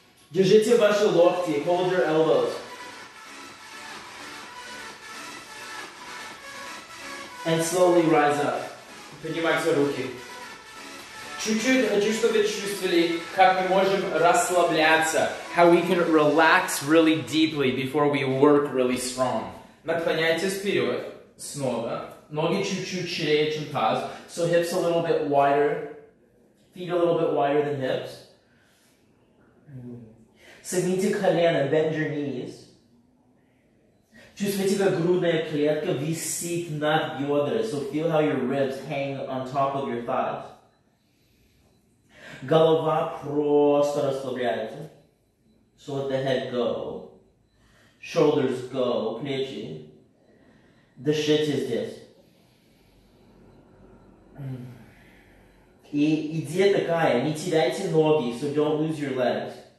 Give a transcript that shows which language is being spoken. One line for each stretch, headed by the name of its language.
Russian: Держите ваши локти,
English: hold your elbows. And slowly rise up.
Russian: Поднимайте руки. Чуть-чуть хочу, чтобы чувствовали, как мы можем расслабляться.
English: How we can relax really deeply before we work really strong.
Russian: Наклоняйтесь вперед, снова. Ноги чуть-чуть шире, чем таз.
English: So hips a little bit wider. Feet a little bit wider than hips.
Russian: Согните колено,
English: bend your knees.
Russian: Чувствуйте, как грудная клетка висит над бедра.
English: So feel how your ribs hang on top of your thighs.
Russian: Голова просто расслабляется.
English: So let the head go. Shoulders go. Плечи. The shit is this.
Russian: И идея такая. Не теряйте ноги,
English: so don't lose your legs.